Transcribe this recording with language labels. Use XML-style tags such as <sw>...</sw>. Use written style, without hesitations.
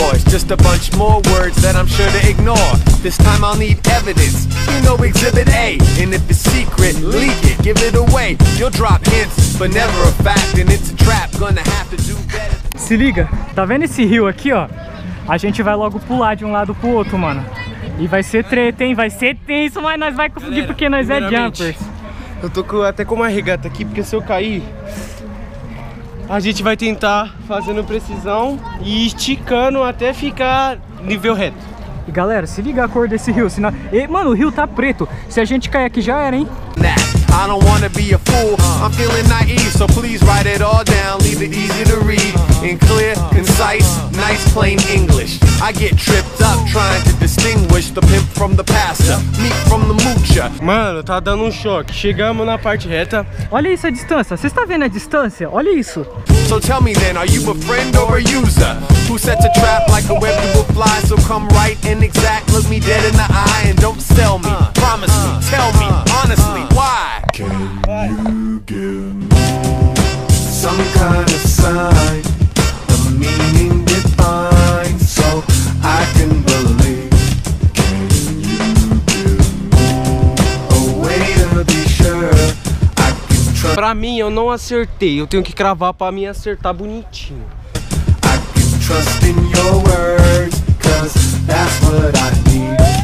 <en>Just a bunch more words that I'm sure to ignore. This time I'll need evidence, you know exhibit A. And if it's secret, leak it, give it away. You'll drop hints, but never a fact. And it's a trap, gonna have to do better.</en> <pt>Se liga, tá vendo esse rio aqui, ó? A gente vai logo pular de um lado pro outro, mano. E vai ser treta, hein? Vai ser tenso, mas nós vai conseguir. Galera, porque nós é jumpers. Eu tô até com uma regata aqui, porque se eu cair... A gente vai tentar fazendo precisão e esticando até ficar nível reto. E galera, se liga a cor desse rio, senão... Ei, mano, o rio tá preto. Se a gente cair aqui já era, hein?</pt> <en>I don't wanna be a fool, I'm feeling naive. So please write it all down, leave it easy to read. In clear, concise, nice plain English. I get tripped up trying to distinguish the pimp from the pastor, me from the moocher.</en> <pt>Mano, tá dando choque, chegamos na parte reta. Olha isso a distância, você está vendo a distância? Olha isso.</pt> <en>So tell me then, are you a friend or a user? Who sets a trap like a web will fly? So come right and exact, look me dead in the eye. And don't sell me, promise me, tell me, honestly, why? Can you give me some kind of sign, the meaning divine, so I can believe? Can you give me a way to be sure I can trust?</en> <pt>Pra mim, eu não acertei, eu tenho que cravar pra me acertar bonitinho.</pt> <en>I can trust in your words, cause that's what I need.</en>